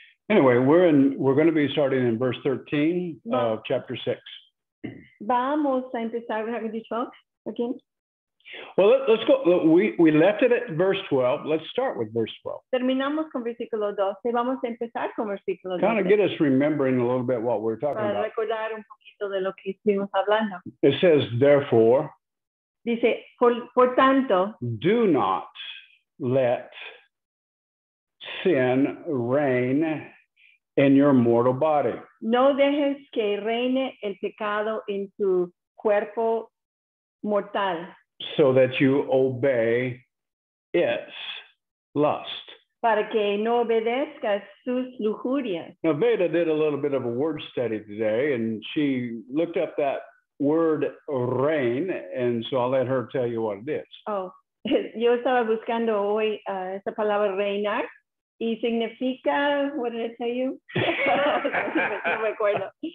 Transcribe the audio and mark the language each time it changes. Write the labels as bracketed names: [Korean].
[English] Anyway, we're going to be starting in verse 13 of chapter 6. [Spanish] Vamos a empezar, [English] have you talked again? Well, let's go. We left it at verse 12. Let's start with verse 12. [Spanish] Terminamos con versículo 12. Vamos a empezar con versículo 12. [English] Kind of get us remembering a little bit what we're talking [Spanish] para [English] about. [Spanish] Recordar un poquito de lo que estuvimos hablando. [English] It says, therefore, [Spanish] dice, por tanto, [English] do not let sin reign in your mortal body. [Spanish] No dejes que reine el pecado en tu cuerpo mortal. [English] So that you obey its lust. [Spanish] Para que no obedezcas sus lujurias. [English] Now, Veda did a little bit of a word study today, and she looked up that word reign, and so I'll let her tell you what it is. [Spanish] Oh, yo estaba buscando hoy esa palabra reinar. Y significa, [English] what did I tell you? [Spanish] No me acuerdo.